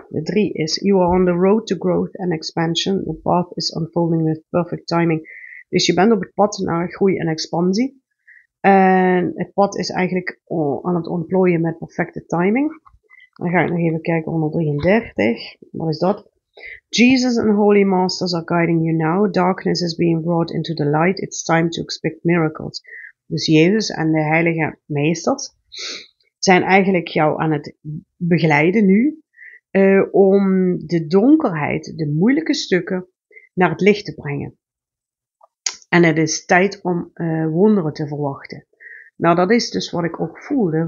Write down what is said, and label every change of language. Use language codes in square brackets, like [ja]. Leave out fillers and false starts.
[nl] De 3 is: [en] you are on the road to growth and expansion. The path is unfolding with perfect timing. [nl] Dus je bent op het pad naar groei en expansie. En het pad is eigenlijk aan het ontplooien met perfecte timing. Dan ga ik nog even kijken, 133. Wat is dat? [en] Jesus and Holy Masters are guiding you now. Darkness is being brought into the light. It's time to expect miracles. [nl] Dus Jezus en de Heilige Meesters zijn eigenlijk jou aan het begeleiden nu. Om de donkerheid, de moeilijke stukken, naar het licht te brengen. En het is tijd om wonderen te verwachten. Nou, dat is dus wat ik ook voelde.